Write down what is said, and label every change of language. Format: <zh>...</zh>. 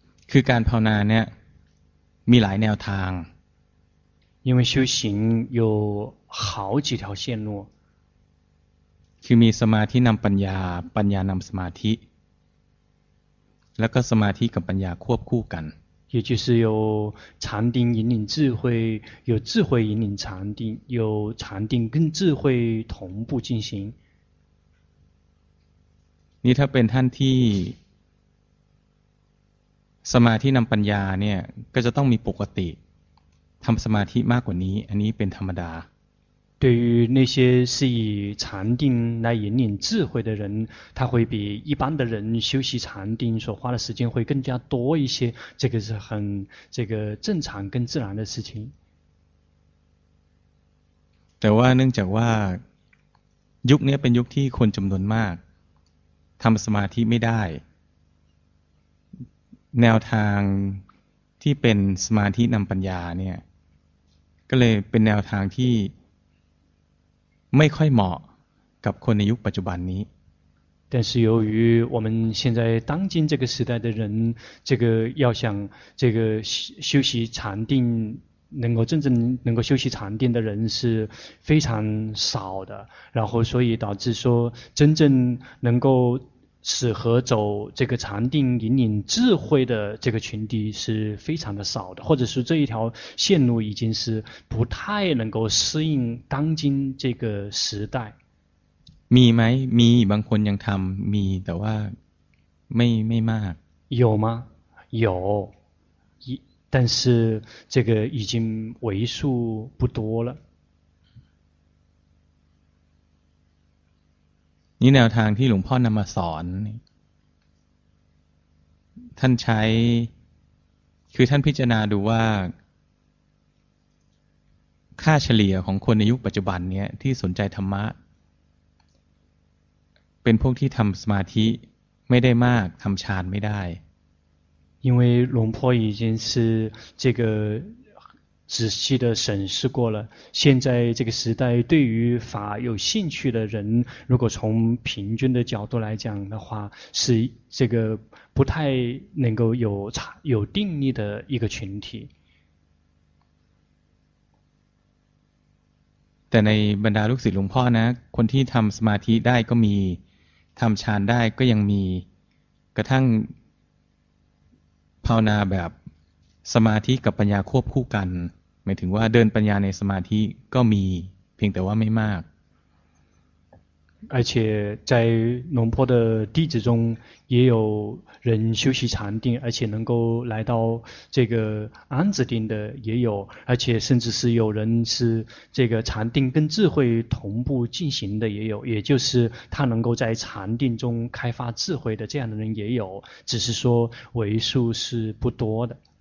<th>คือการภาวนาเนี่ยมีหลายแนวทาง</th> <zh>因为修行有好几条线路</zh> <th>คือมีสมาธินำปัญญาปัญญานำสมาธิแล้วก็สมาธิกับปัญญาควบคู่กัน</th> <zh>也就是有禅定引领智慧有智慧引领禅定有禅定跟智慧同步进行</zh> <th>นี่ถ้าเป็นท่านที่สมาธินำปัญญาเนี่ยก็จะต้องมีปกติทำสมาธิมากกว่านี้อันนี้เป็นธรรมดา</th> <zh>对于那些是以禅定来引领智慧的人他会比一般的人修习禅定所花的时间会更加多一些这个是很这个正常跟自然的事情</zh> <th>แต่ว่าเนื่องจากว่ายุคนี้เป็นยุคที่คนจำนวนมากทำสมาธิไม่ได้แนวทางที่เป็นสมาธินำปัญญาเนี่ยก็เลยเป็นแนวทางที่ไม่ค่อยเหมาะกับคนในยุคปัจจุบันนี้</th> <zh>但是由于我们现在当今这个时代的人这个要想这个修习禅定能够真正能够修习禅定的人是非常少的然后所以导致说真正能够适合走这个禅定引领智慧的这个群体是非常的少的或者是这一条线路已经是不太能够适应当今这个时代</zh> <th>มีไหมมีบางคนยังทำมีแต่ว่าไม่มาก</th> <zh>有吗有但是这个已经为数不多了</zh> <th>นี่แนวทางที่หลวงพ่อนำมาสอนท่านใช้คือท่านพิจารณาดูว่าค่าเฉลี่ยของคนในยุคปัจจุบันนี้ที่สนใจธรรมะเป็นพวกที่ทำสมาธิไม่ได้มากทำฌานไม่ได้</th> <zh>因为龙婆已经是这个仔细的审视过了现在这个时代对于法有兴趣的人如果从平均的角度来讲的话是这个不太能够有定力的一个群体</zh> <th>แต่ในบรรดาลูกศิษย์หลวงพ่อนะคนที่ทำสมาธิได้ก็มีทำฌานได้ก็ยังมีกระทั่งภาวนาแบบสมาธิกับปัญญาควบคู่กันหมายถึงว่าเดินปัญญาในสมาธิก็มีเพียงแต่ว่าไม่มาก</th> <zh>而且在龙坡的弟子中也有人修习禅定，而且能够来到这个安子定的也有，而且甚至是有人是这个禅定跟智慧同步进行的也有，也就是他能够在禅定中开发智慧的这样的人也有，只是说为数是不多的。</zh>